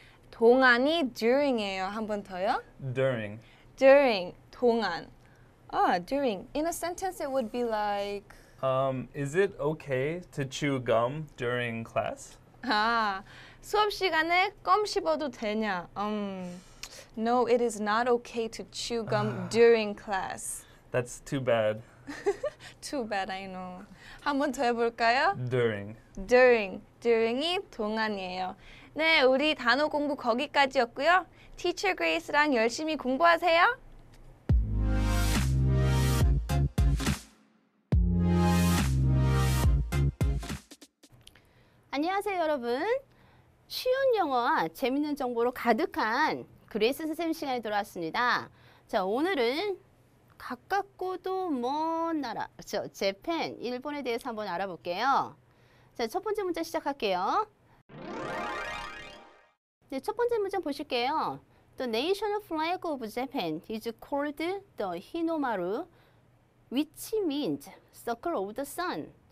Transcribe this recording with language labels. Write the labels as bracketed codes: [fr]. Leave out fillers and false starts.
[ko] 동안이 during이에요. 한 번 더요? [en] During. During. 동안. During. In a sentence, it would be like... Is it okay to chew gum during class? [ko] 수업 시간에 껌 씹어도 되냐? [en] No, it is not okay to chew gum during class. That's too bad. Too bad, I know. [ko] 한 번 더 해볼까요? [en] During. During. During이 동안이에요. [ko] 네, 우리 단어 공부 거기까지였고요. Teacher Grace랑 열심히 공부하세요. (목소리) 여러분. 쉬운 영어와 재밌는 정보로 가득한 그레이스 선생님 시간에 돌아왔습니다. 자, 오늘은 가깝고도 먼 나라, 그렇죠? 재팬, 일본에 대해서 한번 알아볼게요. 자, 첫 번째 문장 시작할게요. 네, 첫 번째 문장 보실게요. [en] The national flag of Japan is called the Hinomaru, which means circle of the sun.